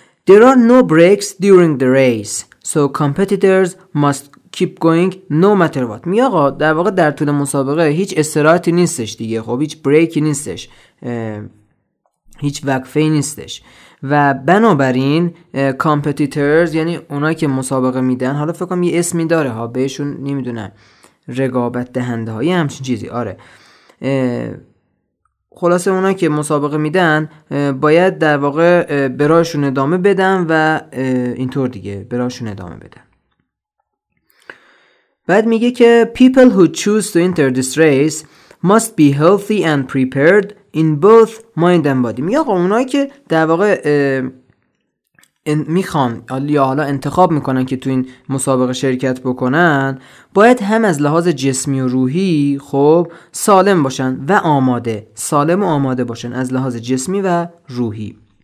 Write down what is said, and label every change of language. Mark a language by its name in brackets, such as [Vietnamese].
[English] There are no breaks during the race, so competitors must keep going no matter what. [Persian] می آقا در واقع در طول مسابقه هیچ استراحتی نیستش دیگه، خب هیچ بریکی نیستش، هیچ وقفه‌ای نیستش و بنابراین کامپتیتورز یعنی اونایی که مسابقه میدن، حالا فکر کنم یه اسمی داره ها، بهشون نمیدونم، رقابت دهنده ها، یه همچین چیزی. آره خلاصه اونا که مسابقه میدن باید در واقع برایشون ادامه بدن و اینطور دیگه برایشون ادامه بدن. بعد میگه که [English] people who choose to enter this race must be healthy and prepared in both mind and body. [Persian] میگه آقا اونایی که در واقع میخوان یا حالا انتخاب میکنن که تو این مسابقه شرکت بکنن، باید هم از لحاظ جسمی و روحی خب سالم باشن و آماده، سالم و آماده باشن از لحاظ جسمی و روحی.